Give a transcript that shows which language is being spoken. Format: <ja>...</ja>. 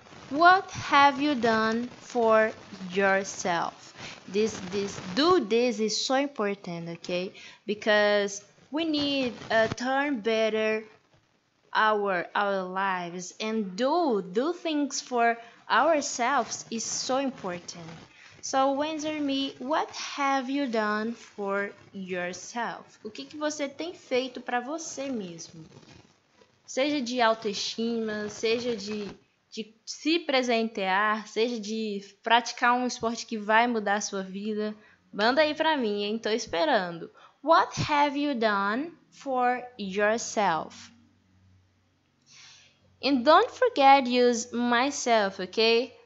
<en>What have you done for yourself? This do this is so important, okay? Because We need to turn better our lives and do things for ourselves is so important. So answer me, what have you done for yourself?</en> <pt>O que você tem feito para você mesmo? Seja de autoestima, seja de se presentear, seja de praticar um esporte que vai mudar a sua vida. Manda aí para mim, hein? Tô esperando.</pt> <en>What have you done for yourself? And don't forget to use myself, okay?</en>